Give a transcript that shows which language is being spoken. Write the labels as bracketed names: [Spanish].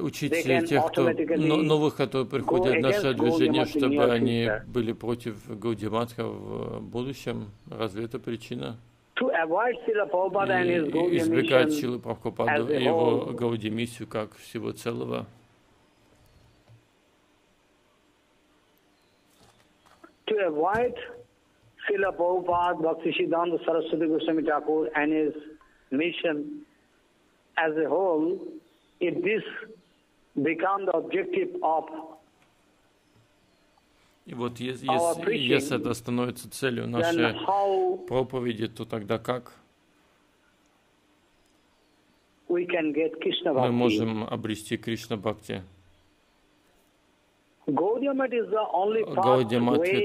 [Russian] учить тех, кто новых, которые приходят в наше движение, чтобы они были против Гаудия-матха в будущем. Разве это причина? [English] To avoid Srila Prabhupada and his Gaudiya [Russian] mission, избегать Шрилы Прабхупады и его Гаудия-миссию как всего целого. [English] To avoid Srila Prabhupada, Bhakti Siddhanta Saraswati Goswami Thakur and his mission as a whole, if this becomes the objective of [Russian] И вот если это становится целью нашей проповеди, то тогда как мы можем обрести Кришна Бхакти? Гаудия Матхи —